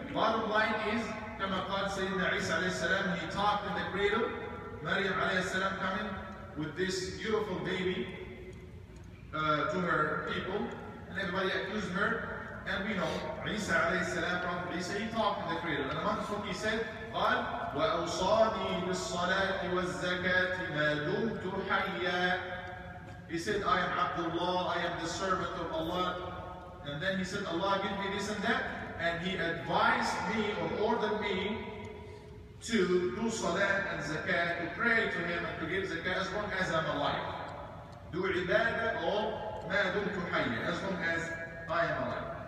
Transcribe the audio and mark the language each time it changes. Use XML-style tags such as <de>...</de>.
<en>Bottom line is,</en> <ar>كما قال سيدنا عيسى عليه السلام,</ar> <en>he talked in the cradle, Maryam alayhi salam coming with this beautiful baby to her people, and everybody accused her. And we know, Isa alayhi salam, Prophet Isa, he talked in the cradle. And amongst what he said,</en> <ar>قال, وَأَوْصَانِي بِالصَّلَاةِ وَالزَّكَاةِ مَا دُمْتُ حَيَّا.</ar> <en>He said, I am Abdullah, I am the servant of Allah. And then he said, Allah give me this and that. And he advised me or ordered me to do salat and zakat, to pray to him and to give zakat as long as I'm alive. Do ibadah or ma dumtu hayya, as long as I am alive.</en>